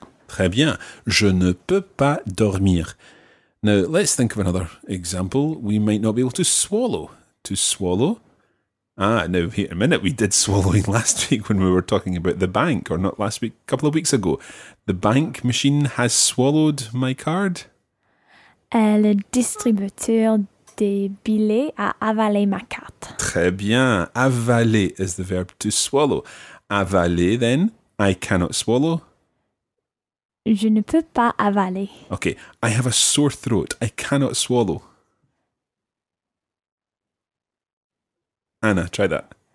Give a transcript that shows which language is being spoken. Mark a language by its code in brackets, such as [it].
[fr] Très bien. Je ne peux pas dormir. [en] Now, let's think of another example. We might not be able to swallow. To swallow. Ah, now, wait a minute. We did swallowing last week when we were talking about the bank. Or not last week, a couple of weeks ago. The bank machine has swallowed my card. [fr] Le distributeur des billets a avalé ma carte. Très bien. [en] Avaler is the verb to swallow. Avaler, then, I cannot swallow. [fr] Je ne peux pas avaler. [en] Okay, I have a sore throat. I cannot swallow. Anna, try that.